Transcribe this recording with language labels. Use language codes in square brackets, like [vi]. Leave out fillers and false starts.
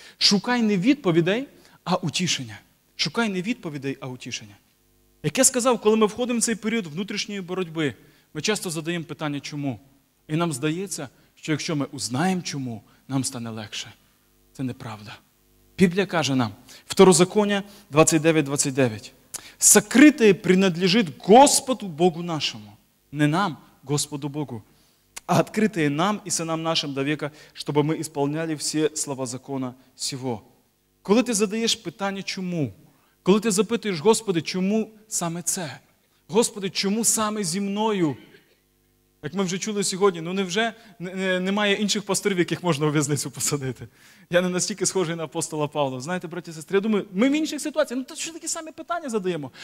[uk] Шукай не відповідей, а утішення. Шукай не відповідей, а утішення. Як я сказав, коли ми входимо в цей період внутрішньої боротьби, ми часто задаємо питання «чому?». І нам здається, що якщо ми узнаємо «чому?», нам стане легше. Це неправда. Біблія каже нам, [ru] Второзаконня 29:29, «Сокрите принадлежить Господу Богу нашому, не нам, Господу Богу, а открытое нам и сынам нашим до века, чтобы мы исполняли все слова закона сего». [uk] Коли ти задаєш питання «чому?», коли ти запитуєш «Господи, чому саме це?», «Господи, чому саме зі мною?», як ми вже чули сьогодні, ну невже немає інших пасторів, яких можна у в'язницю посадити? Я не настільки схожий на апостола Павла. Знаєте, браті і сестри, я думаю, ми в інших ситуаціях, ну то що такі самі питання задаємо?